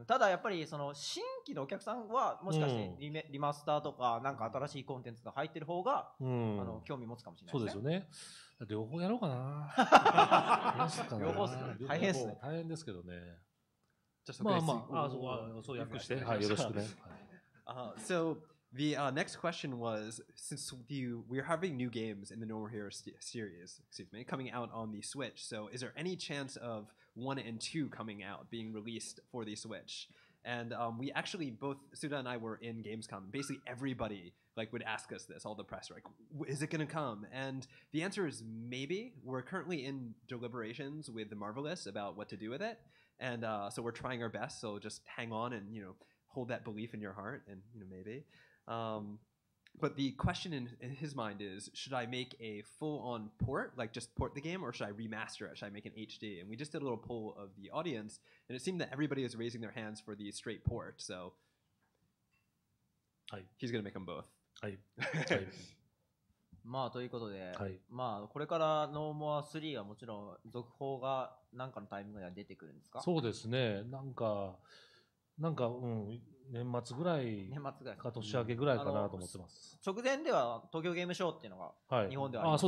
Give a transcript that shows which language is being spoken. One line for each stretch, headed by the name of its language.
Japanese: ん、ただやっぱりその新規のお客さんはもしかして リマスターとかなんか新しいコンテンツが入ってる方が、うん、あの興味持つかもしれないですね。そうですよね。両方やろうかな。両方すね。大変ですね。大変ですけどね。じゃあまあまあ、そう、そう訳して、はい、よろしくね。
English: So the next question was, since we're having new games in the No More Heroes series, excuse me, coming out on the Switch, so is there any chance of one and two coming out, being released for the Switch? And we actually, both Suda and I were in Gamescom. Basically everybody like would ask us this, all the press, like, is it going to come? And the answer is maybe. We're currently in deliberations with the Marvelous about what to do with it. And so we're trying our best. So just hang on and, you know, hold that belief in your heart and, you know, maybe. But the question in his mind is, should I make a full-on port, like just port the game, or should I remaster it? Should I make an HD? And we just did a little poll of the audience, and it seemed that everybody is raising their hands for the straight port, so he's going to make them both.
Japanese: まあ、ということで、まあ、これからノーモア3はもちろん続報が何かのタイミングでは出てくるんですか？そうですね。なんか、なんか、うん、年末ぐらいか年明けぐらいかなと思ってます、うん、直前では東京ゲームショーっていうのが日本ではありますか、はい、